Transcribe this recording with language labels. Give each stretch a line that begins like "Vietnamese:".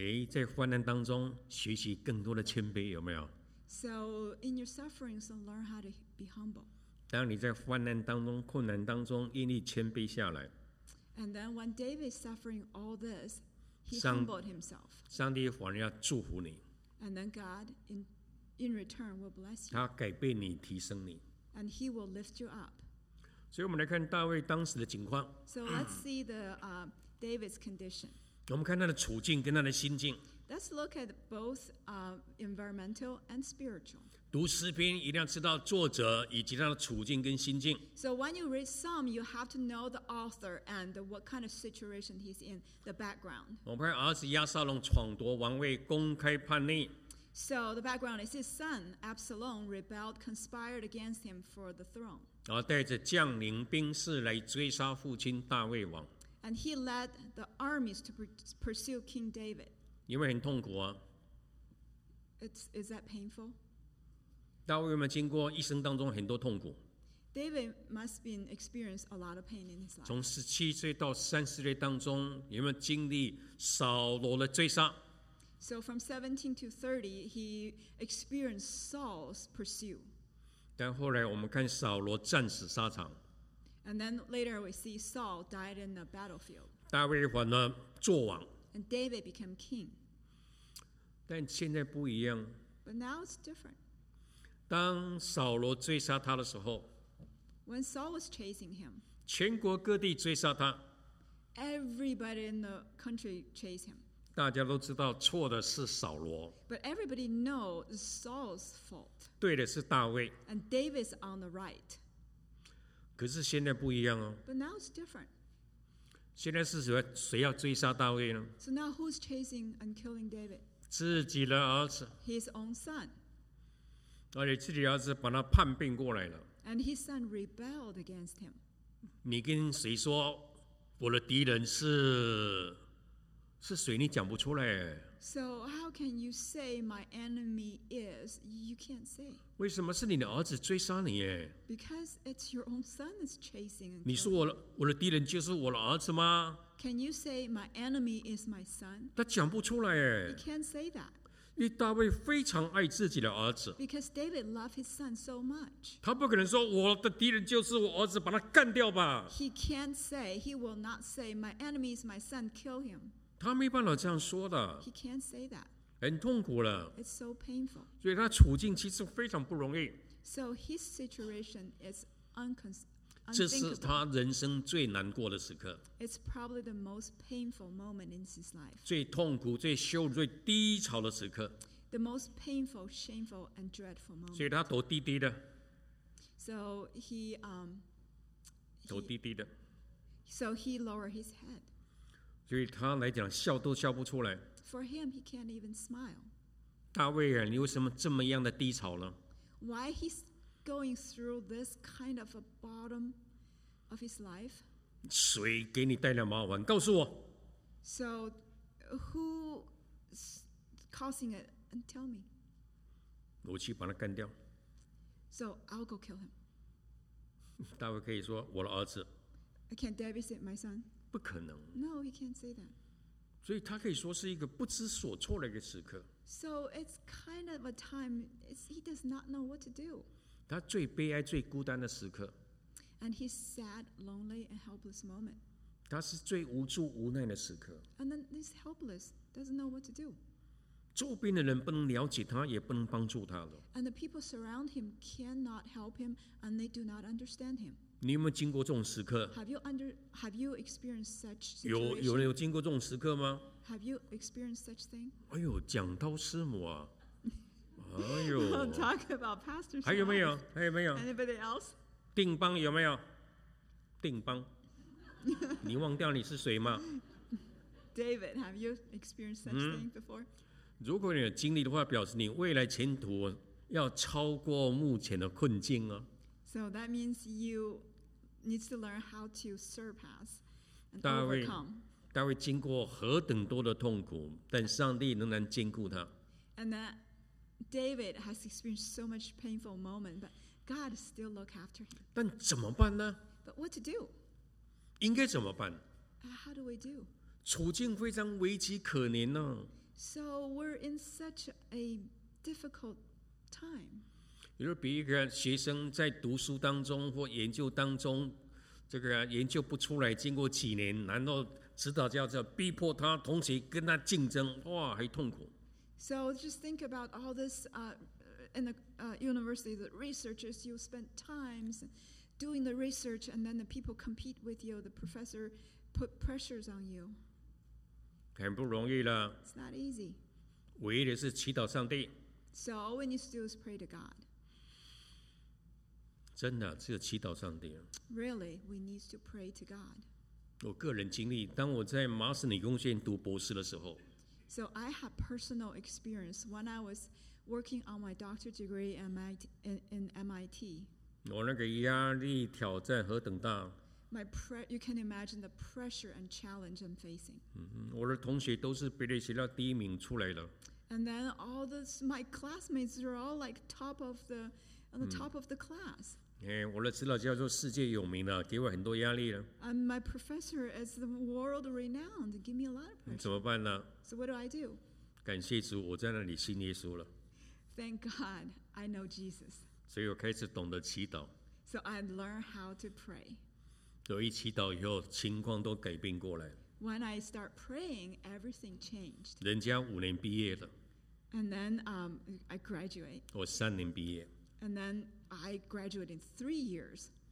Chinese: 在患难当中学习更多的谦卑，有没有
English: ？So in your sufferings, learn how to be humble.
Chinese: 当你在患难当中、困难当中，愿意谦卑下来。
English: And then when David is suffering all this, humbled himself.
Chinese: 上帝反而要祝福你。
English: And then God in return will bless you.
Chinese: 他改变你，提升你。
English: And he will lift you up.
Chinese: 所以我们来看大卫当时的情况。
English: So let's see the David's condition.
Chinese: 我们看他的处境跟他的心境。
English: Let's look at both environmental and spiritual.
Chinese: 读诗篇一定要知道作者以及他的处境跟心境。
English: So when you read Psalm, you have to know the author and what kind of situation he's in, the background.
Chinese: 我们看儿子亚撒龙闯夺王位，公开叛逆。
English: So the background is his son Absalom rebelled, conspired against him for the throne.
Chinese: 然后带着将领兵士来追杀父亲大卫王。
English: And he led the armies to pursue King David.
Chinese: 有没有很痛苦啊？
English: Is that painful?
Chinese: 大卫有没有经过一生当中很多痛苦？
English: David must have experienced a lot of pain in his life.
Chinese: 从17岁到30岁当中，有没有经历扫罗的追杀？
English: So from 17 to 30, he experienced Saul's pursuit.
Chinese: 但后来我们看扫罗战死沙场。
English: And then later we see Saul died in the battlefield.
Chinese: 大卫反而作王。
English: And David became king.
Chinese: 但现在不一样。
English: But now it's different.
Chinese: 当扫罗追杀他的时候，
English: When Saul was chasing him,
Chinese: 全国各地追杀他，
English: Everybody in the country chased him.
Chinese: 大家都知道错的是扫罗，
English: But everybody knows it's Saul's fault.
Chinese: 对的是大卫，
English: And David's on the right.
Chinese: 可是现在不一样哦。
English: But now it's different.
Chinese: 现在是谁要追杀大卫呢？
English: So now who's chasing and killing David?
Chinese: 自己的儿子。
English: His own son.
Chinese: 而且自己的儿子把他叛变过来了。
English: And his son rebelled against him.
Chinese: 你跟谁说我的敌人是谁？你讲不出来。
English: So how can you say my enemy is? You can't say.
Chinese: 为什么是你的儿子追杀你耶？
English: Because it's your own son that's chasing and killing.
Chinese: 你说我的敌人就是我的儿子吗？
English: Can you say my enemy is my son?
Chinese: 他讲不出来耶。
English: You can't say that.
Chinese: 因为大卫非常爱自己的儿子。
English: Because David loved his son so much.
Chinese: 他不可能说我的敌人就是我儿子，把他干掉吧。
English: He can't say, he will not say, my enemy is my son, kill him.
Chinese: 他没办法这样说的。
English: He can't say that.
Chinese: 很痛苦了。
English: It's so painful.
Chinese: 所以他处境其实非常不容易。
English: So his situation is unthinkable.
Chinese: 这是他人生最难过的时刻。
English: It's probably the most painful moment in his life.
Chinese: 最痛苦、最羞辱、最低潮的时刻。
English: The most painful, shameful, and dreadful moment.
Chinese: 所以他躲低低的。
English: So he,
Chinese: 躲低低的。
English: So he lowered his head.
Chinese: 所以他来讲笑都笑不出来。
English: For him, he can't even smile.
Chinese: 大卫啊，你为什么这么样的低潮呢？
English: Why he's going through this kind of a bottom of his life?
Chinese: 谁给你带来麻烦？告诉我。
English: So, who is causing it? And tell me.
Chinese: 我去把他干掉。
English: So I'll go kill him.
Chinese: 大卫可以说我的儿子。
English: Can David say my son?
Chinese: 不可能。
English: No, he can't say that.
Chinese: 所以他可以说是一个不知所措的一个时刻。
English: So it's kind of a time he does not know what to do.
Chinese: 他最悲哀、最孤单的时刻。
English: And he's sad, lonely, and helpless moment.
Chinese: 他是最无助、无奈的时刻。
English: And then he's helpless, doesn't know what to do.
Chinese: 周边的人不能了解他，也不能帮助他了。
English: And the people surround him cannot help him, and they do not understand him.
Chinese: 你有没有经过这种时刻？
English: Have you experienced such situation?
Chinese: 有人有经过这种时刻吗？
English: Have you experienced such thing?
Chinese: 哎呦，讲到师母啊，哎呦，
English: we'll talk about pastor's life.
Chinese: 还有没有？
English: Anybody else?
Chinese: 定邦有没有？定邦，你忘掉你是谁吗？
English: David, have you experienced such thing before?
Chinese: 如果你有经历的话，表示你未来前途要超过目前的困境啊。
English: So that means you need to learn how to surpass and overcome.
Chinese: 大卫经过何等多的痛苦，但上帝仍然坚固他。
English: And that David has experienced so much painful moment, but God still look after him.
Chinese: 但怎么办呢？
English: But what to do?
Chinese: 应该怎么办？
English: How do we do?
Chinese: 处境非常危急可怜啊。
English: So we're in such a difficult time.
Chinese: 比如比一个学生在读书当中或研究当中，这个研究不出来，经过几年，然后使祷告者逼迫他，同时跟他竞争，哇，还痛苦。
English: So just think about all this in the university, the researchers, you spend times doing the research, and then the people compete with you, the professor put pressures on you.
Chinese: 很不容易了。
English: It's not easy.
Chinese: 唯一的是祈祷上帝。
English: So all we need to do is pray to God.
Chinese: 真的，只有祈祷上帝。
English: Really, we need to pray to God.
Chinese: 我个人经历，当我在麻省理工学院读博士的时候。
English: So I have personal experience when I was working on my doctorate degree in MIT.
Chinese: 我那个压力挑战何等大。
English: You can imagine the pressure and challenge I'm facing.
Chinese: 我的同学都是别的学校第一名出来的。
English: And then all this, my classmates are all like top of the, on the top of the class.
Chinese: 我的指导教授世界有名的，给我很多压力了。
English: And my professor is the world renowned, give me a lot of pressure.
Chinese: 怎么办呢？
English: So what do I do?
Chinese: 感谢主，我在那里信耶稣了。
English: Thank God, I know Jesus.
Chinese: 所以我开始懂得祈祷。
English: So I learn how to pray.
Chinese: 所以祈祷以后，情况都改变过来。
English: When I start praying, everything changed.
Chinese: 人家五年毕业了。
English: And then I graduate.
Chinese: 我三年毕业。
English: And then I graduate in 3 years.